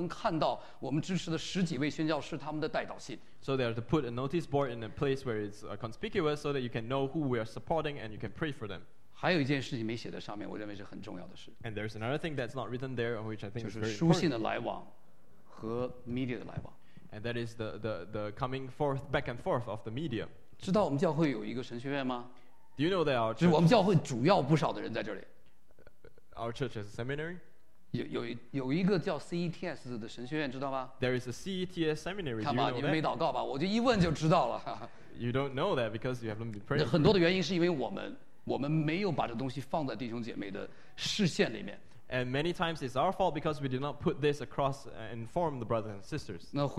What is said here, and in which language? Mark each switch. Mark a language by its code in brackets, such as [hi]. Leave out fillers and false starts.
[zh] 至少昨天丽兰的说，是这个我们需要为宣教士祷告，所以他们要搞一个栏目，要放在一个比较显著的地方，大家都能看到我们支持的十几位宣教士他们的代祷信。 [en] So they are to put a notice board in a place where it's conspicuous, so that you can know who we are supporting and you can pray for them. [zh] 还有一件事情没写在上面，我认为是很重要的事。 [en] And there's another thing that's not written there, which I think is very important. [zh] 就是书信的来往和media的来往。 [en] And that is the coming forth, back and forth of the media. [zh] 知道我们教会有一个神学院吗？ [en] Do you know that our church? [zh] 就是我们教会主要不少的人在这里。 [en] Our church has a seminary? [zh] 有一个叫CETS的神学院，知道吗？ [en] There is a CETS seminary. [zh] 看吧，你们没祷告吧？我就一问就知道了。 [en] You don't know that because you haven't been praying. [zh] 很多的原因是因为我们。我们没有把这东西放在弟兄姐妹的视线里面。 [en] And many times it's our fault because we did not put this across and inform the brothers and sisters.